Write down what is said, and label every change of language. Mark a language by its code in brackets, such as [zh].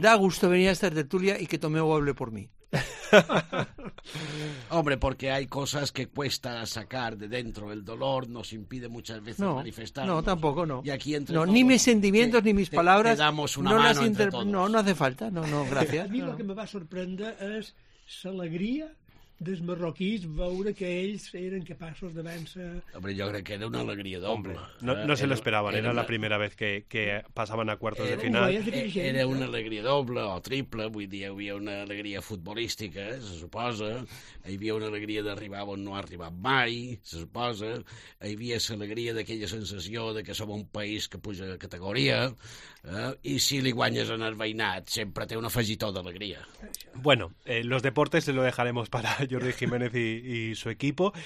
[es] Da gusto venir a esta tertulia y que Tomeu hable por mí. Hombre, porque hay cosas que cuesta sacar de dentro. El dolor nos impide muchas veces manifestarnos. No, tampoco, no. Y aquí entre ni mis sentimientos ni mis palabras. Te damos una mano entre todos. No hace falta. No, gracias. A mí lo que me va a sorprender es la alegría [ca] dels marroquís veure que ells eren capaços de vèncer. Hombre, jo crec que era una alegria d'home. No se l'esperaven, era la primera vegada que passaven a quarts de final. Era una alegria doble o triple, vull dir, hi havia una alegria futbolística, se suposa, hi havia una alegria d'arribar on no ha arribat mai, se suposa, hi havia l'alegria d'aquella sensació de que som un país que puja de categoria, i si li guanyes en el veïnat, sempre té un afegitó d'alegria. [es] Bueno, los deportes lo dejaremos para Jordi Jiménez y su equipo.